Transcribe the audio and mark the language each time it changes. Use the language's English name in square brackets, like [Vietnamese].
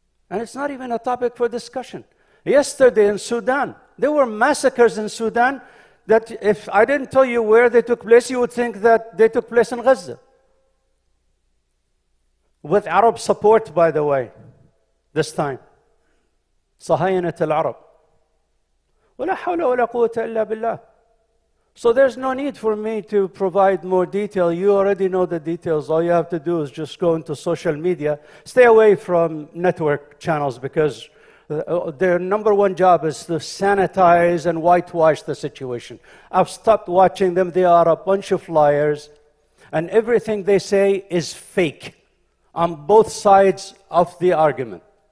[English] And it's not even a topic for discussion. Yesterday in Sudan, there were massacres in Sudan that if I didn't tell you where they took place, you would think that they took place in Gaza. With Arab support, by the way, this time. [Arabic] صهاينة العرب. ولا حول ولا قوة إلا بالله. [English] So there's no need for me to provide more detail. You already know the details. All you have to do is just go into social media. Stay away from network channels because their number one job is to sanitize and whitewash the situation. I've stopped watching them. They are a bunch of liars. And everything they say is fake on both sides of the argument.